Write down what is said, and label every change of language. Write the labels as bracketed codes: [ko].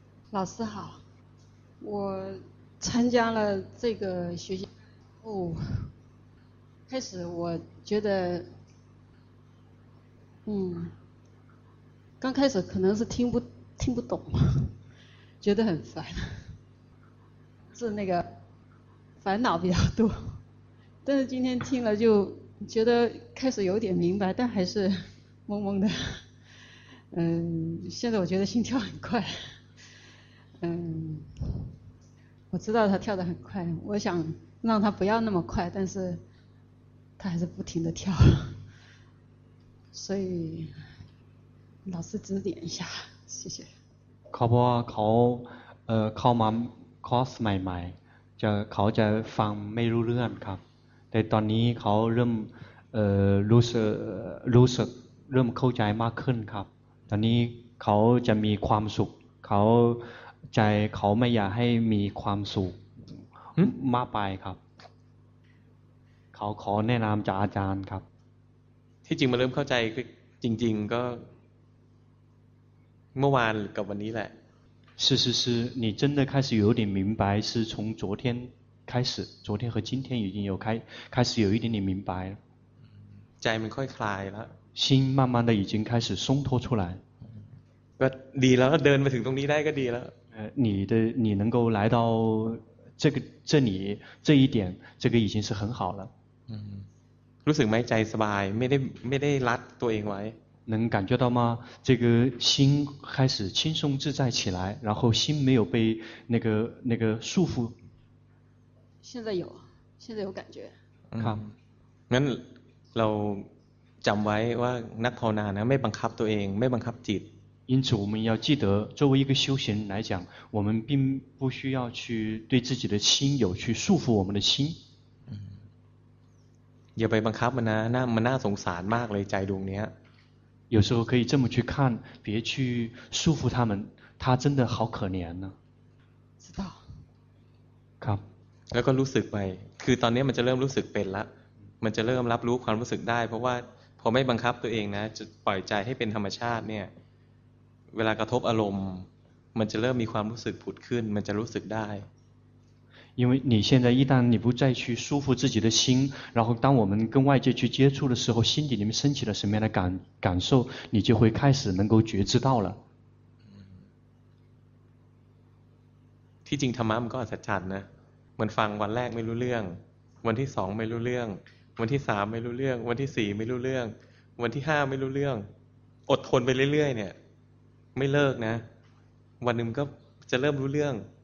[zh] 老师好我参加了这个学习哦开始我觉得刚开始可能是听不懂觉得很烦是那个烦恼比较多但是今天听了就觉得开始有点明白但还是懵懵的现在我觉得心跳很快我知道它跳得很快我想让它不要那么快但是它还是不停地跳所以老师指点一下，谢谢。 [th] เขาบอกว่าเขาเข้ามาคอร์สใหม่ๆจะเขาจะฟังไม่รู้เรื่องครับแต่ตอนนี้เขาเริ่มรู้สึกเริ่มเข้าใจมากขึ้นครับตอนนี้เขาจะมีความสุขเขาใจเขาไม่อยากให้มีความสุขมากไปครับเขาขอแนะนำจากอาจารย์ครับ ที่จริงมาเริ่มเข้าใจจริงๆก็เมื่อวานกับวันนี้แหละ [zh] 是是是你真的开始有点明白是从昨天开始昨天和今天已经有开始有一点点明白 [th] ใจมันค่อยคลายแล้ว [zh] 心慢慢的已经开始松脱出来 [th] ก็ดีแล้วเดินมาถึงตรงนี้ได้ก็ดีแล้ว [zh] 你能够来到这里这一点这个已经是很好了 [th] รู้สึกไหมใจสบายไม่ได้รัดตัวเองไว้ [zh] 能感觉到吗？这个心开始轻松自在起来，然后心没有被那个束缚。现在有感觉。好， [th] งั้นเราจำไว้ว่านักภาวนานะไม่บังคับตัวเองไม่บังคับจิต。 [zh] 因此我们要记得，作为一个修行人来讲，我们并不需要去对自己的心有去束缚我们的心。 [th] อย่าไปบังคับมันนะมันน่าสงสารมากเลยใจดวงนี้ [zh] 有时候可以这么去看，别去束缚他们，他真的好可怜呢。知道。 [th] ครับ。 แล้วก็รู้สึกไปคือตอนนี้มันจะเริ่มรู้สึกเป็นละมันจะเริ่มรับรู้ความรู้สึกได้เพราะว่าพอไม่บังคับตัวเองนะจะปล่อยใจให้เป็นธรรมชาติเนี่ยเวลากระทบอารมณ์มันจะเริ่มมีความรู้สึกผุดขึ้นมันจะรู้สึกได้ [zh] 因为你现在一旦你不再去束缚自己的心，然后当我们跟外界去接触的时候，心底里面升起了什么样的感受，你就会开始能够觉知到了。 [th] ที่จริงธรรมะมันก็อัศจรรย์นะเหมือนฟังวันแรกไม่รู้เรื่องวันที่สองไม่รู้เรื่องวันที่สามไม่รู้เรื่องวันที่สี่ไม่รู้เรื่องวันที่ห้าไม่รู้เรื่องอดทนไปเรื่อยๆเนี่ยไม่เลิกนะวันหนึ่งก็จะเริ่มรู้เรื่อง